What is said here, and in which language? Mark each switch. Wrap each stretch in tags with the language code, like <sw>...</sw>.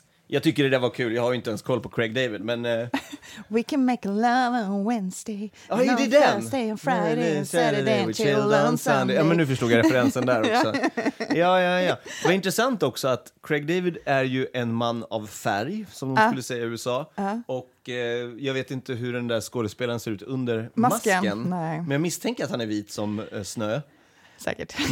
<sv>Jag tycker det där var kul. Jag har ju inte ens koll på Craig David, men...</sv> <en>We can make love on Wednesday.</en> <sv>Ja, är det den?</sv> <en>Thursday and Friday, Saturday, we chill on Sunday.</en> <sv>Ja, men nu förstod jag referensen där också. Ja. Det var intressant också att Craig David är ju en man av färg, som de skulle säga i USA. Och jag vet inte hur den där skådespelaren ser ut under masken. Nej. Men jag misstänker att han är vit som snö. Säkert.</sv>